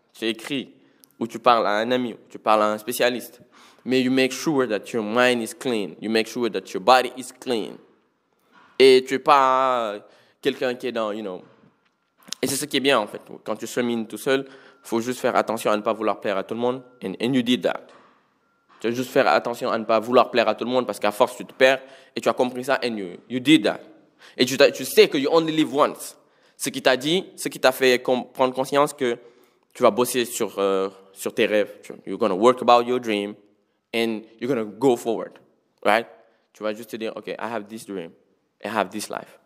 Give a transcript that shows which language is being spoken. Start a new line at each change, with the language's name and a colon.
French: Tu écris ou tu parles à un ami ou tu parles à un spécialiste. Mais
English: you make sure that your mind is clean. You make sure that your body is clean.
French: Et tu es pas quelqu'un qui est dans,
English: you know.
French: Et c'est ce qui est bien en fait. Quand tu chemines tout seul, faut juste faire attention à ne pas vouloir plaire à tout le monde.
English: And you did that.
French: Tu as juste faire attention à ne pas vouloir plaire à tout le monde parce qu'à force tu te perds. Et tu as compris ça.
English: And you did that.
French: Et tu sais que
English: you only live once.
French: Ce qui t'a dit, ce qui t'a fait prendre conscience que tu vas bosser sur tes rêves.
English: You're gonna work about your dream. And you're gonna go forward, right?
French: Tu vas juste te dire,
English: okay, I have this dream, I have this life.